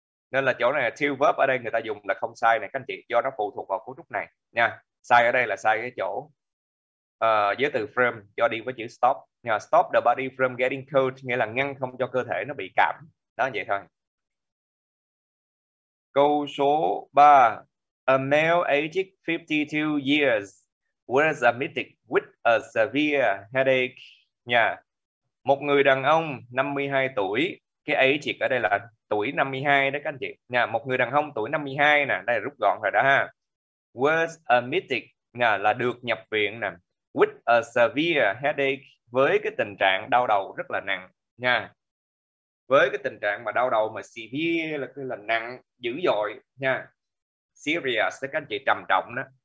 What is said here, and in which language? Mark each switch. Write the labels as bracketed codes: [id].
[vi] Nên là chỗ này to verb ở đây người ta dùng là không sai này các anh chị, do nó phụ thuộc vào cấu trúc này nha. Sai ở đây là sai cái chỗ với từ from, do đi với chữ stop. [en] Stop the body from getting cold [vi] nghĩa là ngăn không cho cơ thể nó bị cảm. Đó vậy thôi. Câu số 3. [en] A male aged 52 years was admitted with a severe headache. [vi] Một người đàn ông 52 tuổi, cái aged ở đây là tuổi 52 đó các anh chị. Một người đàn ông tuổi 52 nè, đây là rút gọn rồi đó ha. Was admitted là được nhập viện nè, [en] with a severe headache, [vi] với cái tình trạng đau đầu rất là nặng nha, với cái tình trạng mà đau đầu mà severe là nặng dữ dội nha, serious các anh chị, trầm trọng đó.